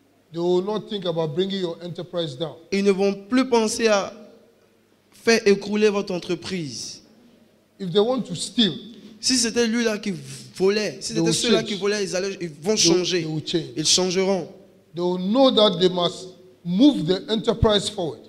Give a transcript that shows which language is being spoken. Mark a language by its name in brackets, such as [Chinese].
[English] they will not think about bringing your enterprise down. [French] Ils ne vont plus penser à faire écrouler votre entreprise. [English] If they want to steal, [French] si c'était lui-là qui volait, si c'était ceux-là qui volaient, ils vont changer. [English] They will change. [French] Ils changeront. [English] They will know that they must move the enterprise forward.